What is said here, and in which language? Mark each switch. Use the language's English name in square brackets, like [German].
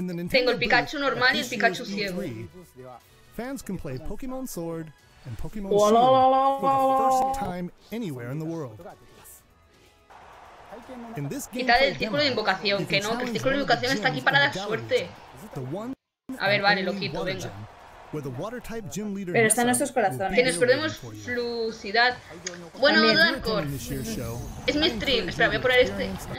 [Spanish] Tengo el Pikachu normal y el Pikachu ciego. [English] Fans can play Pokémon Sword and Pokémon Shield for the first time anywhere in the world. [Spanish] Quitad el círculo de invocación, que no, que el círculo de invocación está aquí para la suerte. A ver, vale, lo quito, venga. Pero está en nuestros corazones. Que nos perdemos fluidad. Bueno, Darkor. Es mi stream. Espera, voy a poner este.